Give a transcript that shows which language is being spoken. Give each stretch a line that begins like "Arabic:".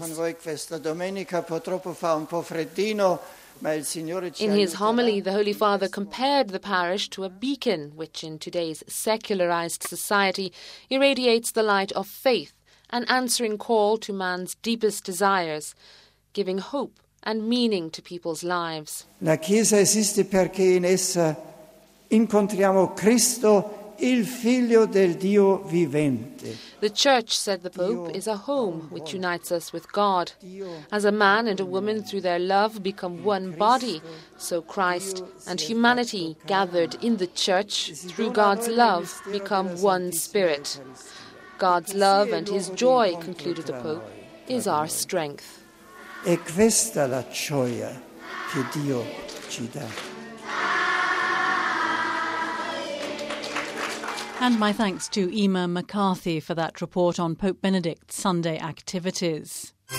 English: In his homily, the Holy Father compared the parish to a beacon, which in today's secularized society irradiates the light of faith, an answering call to man's deepest desires. giving hope and meaning to people's lives.
Italian: La Chiesa esiste perché in essa incontriamo Cristo, il Figlio del Dio vivente.
English: The Church, said the Pope, is a home which unites us with God. As a man and a woman through their love become one body, so Christ and humanity gathered in the Church through God's love become one spirit. God's love and his joy, concluded the Pope, is our strength.
Italian: È questa la gioia che Dio ci dà.
English: And my thanks to Emma McCarthy for that report on Pope Benedict's Sunday activities.